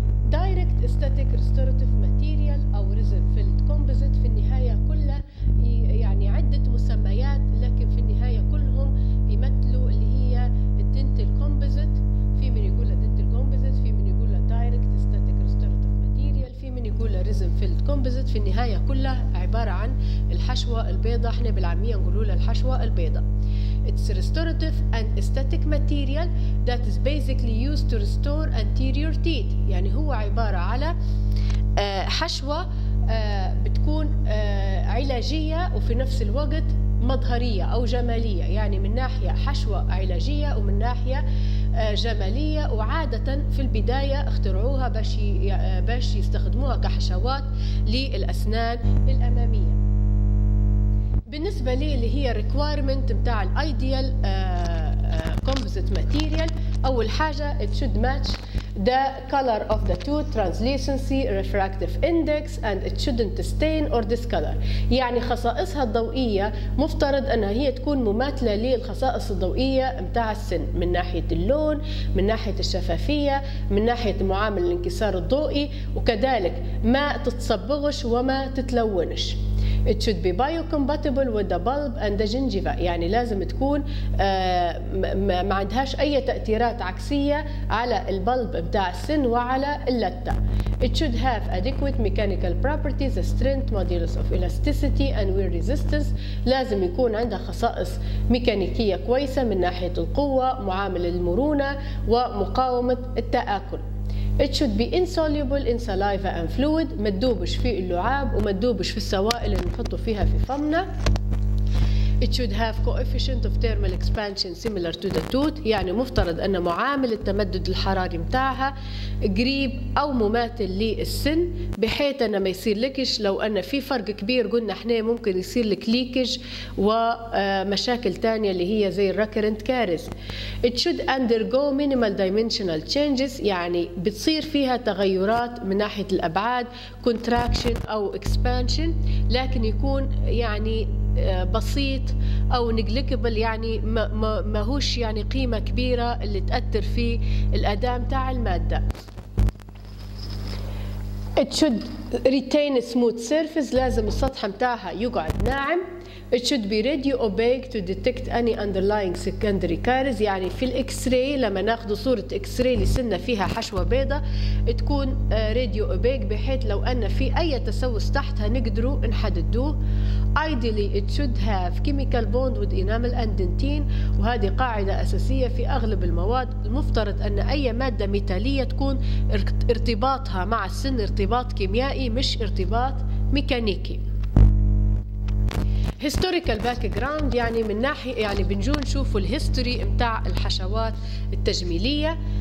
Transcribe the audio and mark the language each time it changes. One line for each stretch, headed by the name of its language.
Arabic: دايركت استاتيك ريستوراتيف ماتيريال أو ريزن فيلد كومبوزيت في النهاية كلها يعني عدة مسميات، لكن في النهاية كلهم يمثلوا اللي هي الدنتال كومبوزيت. في من يقول له دنتال كومبوزيت، في من يقول له دايركت استاتيك ريستوراتيف ماتيريال، في من يقول له ريزن فيلد كومبوزيت. في النهاية كلها عبارة عن الحشوة البيضاء، احنا بالعامية نقولوا له الحشوة البيضاء.
English: It's restorative and aesthetic material that is basically used to restore anterior teeth.
Arabic: يعني هو عبارة على حشوة بتكون علاجية وفي نفس الوقت مظهرية أو جمالية، يعني من ناحية حشوة علاجية ومن ناحية جمالية. وعادة في البداية اخترعوها باش يستخدموها كحشوات للأسنان الأمامية. بالنسبة لي اللي هي requirement بتاع الايديال composite material، أول حاجة
English: it should match the color of the tooth, translucency, refractive index, and it shouldn't stain or discolor.
Arabic: يعني خصائصها الضوئية مفترض أنها هي تكون مماثلة للخصائص الضوئية بتاع السن، من ناحية اللون، من ناحية الشفافية، من ناحية معامل الانكسار الضوئي، وكذلك ما تتصبغش وما تتلونش.
English: It should be biocompatible with the bulb and the gingiva.
Arabic: يعني لازم تكون ما عندهاش أي تأثيرات عكسية على البلب بتاع السن وعلى اللتة.
English: It should have adequate mechanical properties, strength, modulus of elasticity and wear resistance.
Arabic: لازم يكون عندها خصائص ميكانيكية كويسة من ناحية القوة، معامل المرونة ومقاومة التآكل.
English: It should be insoluble in saliva and fluid.
Arabic: ما تدوبش في اللعاب وما تدوبش في السوائل اللي نحطه فيها في فمنا.
English: It should have coefficient of thermal expansion similar to the tooth.
Arabic: يعني مفترض أن معامل التمدد الحراري متاعها قريب أو مماثل للسن، بحيث أن ما يصير لكش لو أن في فرق كبير قلنا إحنا ممكن يصير لك ليكج ومشاكل تانية اللي هي زي recurrent caries.
English: It should undergo minimal dimensional changes.
Arabic: يعني بتصير فيها تغيرات من ناحية الأبعاد contraction أو expansion، لكن يكون يعني بسيط أو نجليكبل، يعني ما هوش يعني قيمة كبيرة اللي تأثر في الأداء بتاع المادة.
English: It should retain a smooth surface.
Arabic: لازم السطح متاعها يقعد ناعم.
English: It should be radio opaque to detect any underlying secondary caries.
Arabic: يعني في الإكس راي لما ناخد صورة إكس راي لسنة فيها حشوة بيضة تكون radio opaque، بحيث لو أن في أي تسوس تحتها نقدروا نحددوه.
English: Ideally it should have chemical bond with enamel and dentin.
Arabic: وهذه قاعدة أساسية في أغلب المواد، المفترض أن أي مادة ميتالية تكون ارتباطها مع السن ارتباط كيميائي مش ارتباط ميكانيكي. هيستوريكال باك جراوند، يعني من ناحيه يعني بنجون نشوفوا الهيستوري بتاع الحشوات التجميليه.